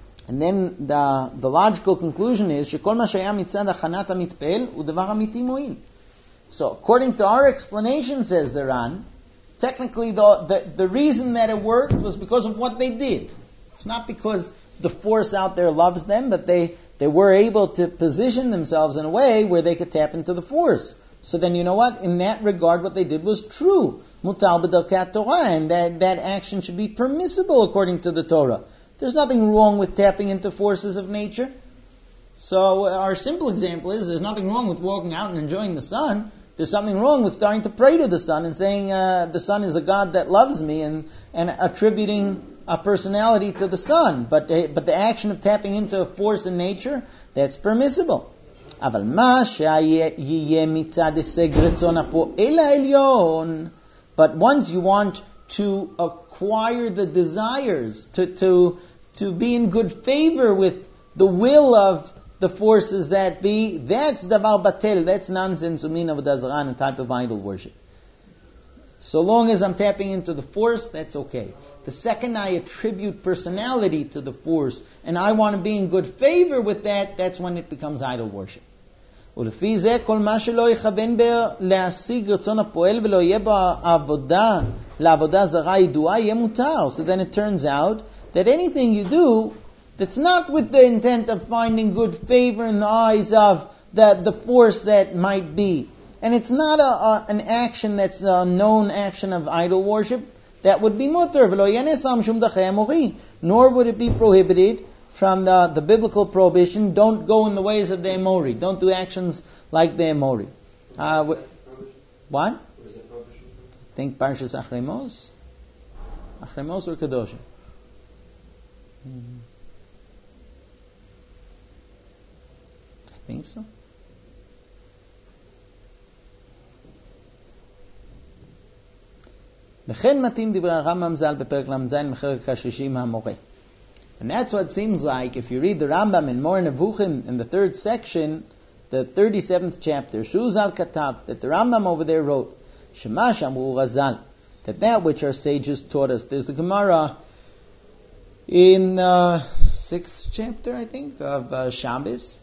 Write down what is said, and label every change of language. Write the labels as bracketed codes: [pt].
[en] And then the logical conclusion is [he] שכל מה שהיה מצד הכנת המתפל הוא דבר אמיתי מועיל. [en] So according to our explanation, says the Ran, technically the reason that it worked was because of what they did. It's not because the force out there loves them, but they were able to position themselves in a way where they could tap into the force. So then you know what? In that regard, what they did was true. [he] Mutal b'dalkat Torah, [en] and that action should be permissible according to the Torah. There's nothing wrong with tapping into forces of nature. So our simple example is there's nothing wrong with walking out and enjoying the sun. There's something wrong with starting to pray to the sun and saying the sun is a god that loves me and attributing a personality to the sun. But the action of tapping into a force in nature, that's permissible. [he] אבל מה שיהיה מצד הישג רצון הפועל העליון. [en] But once you want to acquire the desires, to be in good favor with the will of the forces that be, that's [he] davar batel, [en] that's nonsense, [he] umin avodah zarah, [en] a type of idol worship. So long as I'm tapping into the force, that's okay. The second I attribute personality to the force, and I want to be in good favor with that, that's when it becomes idol worship. [he] ולפי זה כל מה שלא יכוון בו להשיג רצון הפועל ולא יהיה בו עבודה לעבודה זרה ידועה יהיה מותר. [en] So then it turns out that anything you do that's not with the intent of finding good favor in the eyes of the force that might be, and it's not an action that's a known action of idol worship, that would be mutar [he] ולא יהיה נסם שום דחי המורי, [en] nor would it be prohibited from the biblical prohibition, don't go in the ways of the Amori. Don't do actions like the Amori. What? Think Parshas Achrimos? Achrimos or Kadosha? I think so. [he] לכן מתאים דברי הרמב״ם ז"ל בפרק ל"ז מחלק השלישי מהמורה. [en] And that's what it seems like if you read the Rambam in Mor Nevuchim in the third section, the 37th chapter, [he] Shuzal Katav, [en] that the Rambam over there wrote, [he] Shema Shamu Razal, [en] that which our sages taught us. There's the Gemara in the 6th chapter, I think, of Shabbos.